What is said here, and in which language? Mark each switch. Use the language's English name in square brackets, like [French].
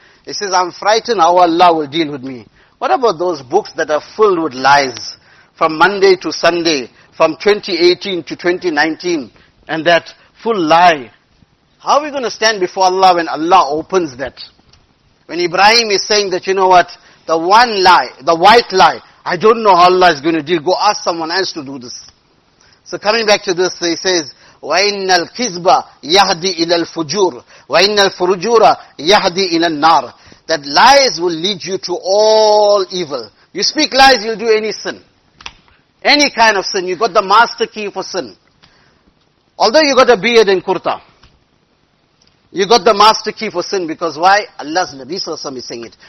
[English] He says, I'm frightened how Allah will deal with me. What about those books that are filled with lies from Monday to Sunday, from 2018 to 2019, and that full lie? How are we going to stand before Allah when Allah opens that? When Ibrahim is saying that, you know what, the one lie, the white lie, I don't know how Allah is going to deal. Go ask someone else to do this. So coming back to this, he says, [Arabic] وَإِنَّ الْكِذْبَ يَهْدِي إِلَى الْفُجُورِ وَإِنَّ الْفُرُجُورَ يَهْدِي إِلَى النَّارِ. [English] That lies will lead you to all evil. You speak lies, you'll do any sin. Any kind of sin. You got the master key for sin. Although you got a beard and kurta, you got the master key for sin. Because why? Allah's Nabi is saying it.